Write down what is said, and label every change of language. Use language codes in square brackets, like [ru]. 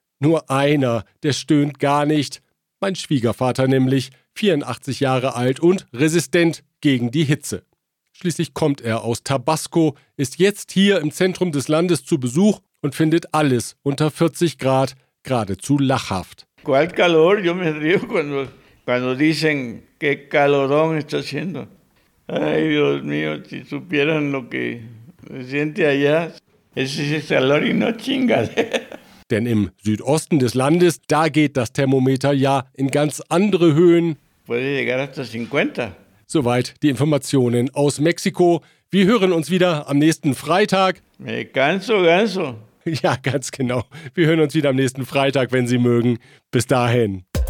[de] Nur einer, der stöhnt gar nicht. Mein Schwiegervater nämlich, 84 Jahre alt und resistent gegen die Hitze. Schließlich kommt er aus Tabasco, ist jetzt hier im Zentrum des Landes zu Besuch und findet alles unter 40 Grad geradezu lachhaft. [es] ¿Cuál calor? Yo me río cuando dicen qué calorón está haciendo. Ay, Dios mío, si supieran lo que se siente allá. Ese es el calor y no chingas. [de] Denn im Südosten des Landes, da geht das Thermometer ja in ganz andere Höhen. [es] Puede llegar hasta 50. [de] Soweit die Informationen aus Mexiko. Wir hören uns wieder am nächsten Freitag. [es] Me canso, ganso. [de] Ja, ganz genau. Wir hören uns wieder am nächsten Freitag, wenn Sie mögen. Bis dahin.